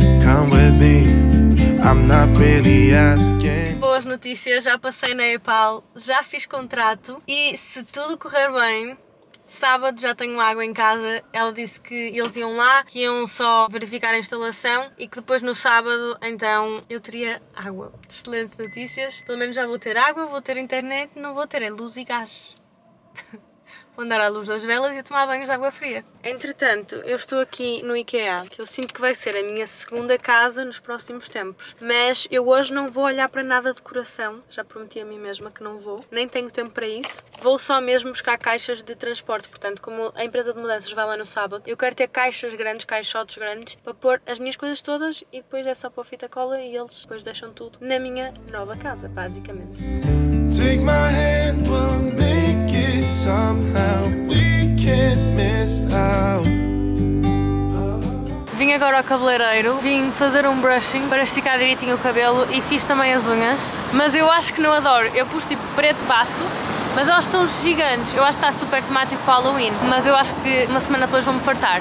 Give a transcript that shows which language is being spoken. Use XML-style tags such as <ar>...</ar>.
<en>Come with me, I'm not really asking.</en> <pt>Boas notícias, já passei na Epal, já fiz contrato e se tudo correr bem, sábado já tenho água em casa. Ela disse que eles iam lá, que iam só verificar a instalação e que depois no sábado então eu teria água. Excelentes notícias. Pelo menos já vou ter água, vou ter internet, não vou ter luz e gás. Vou andar à luz das velas e a tomar banhos de água fria. Entretanto, eu estou aqui no IKEA, que eu sinto que vai ser a minha segunda casa nos próximos tempos. Mas eu hoje não vou olhar para nada de decoração, já prometi a mim mesma que não vou. Nem tenho tempo para isso. Vou só mesmo buscar caixas de transporte, portanto, como a empresa de mudanças vai lá no sábado, eu quero ter caixas grandes, caixotes grandes, para pôr as minhas coisas todas e depois é só pôr fita cola e eles depois deixam tudo na minha nova casa, basicamente.</pt> <en>Take my hand, we'll make it somehow. We can't miss out.</en> <pt>Vim agora ao cabeleireiro, vim fazer um brushing para esticar direitinho o cabelo e fiz também as unhas. Mas eu acho que não adoro, eu pus tipo preto baço, mas elas estão gigantes. Eu acho que está super temático para o Halloween, mas eu acho que uma semana depois vou-me fartar.</pt>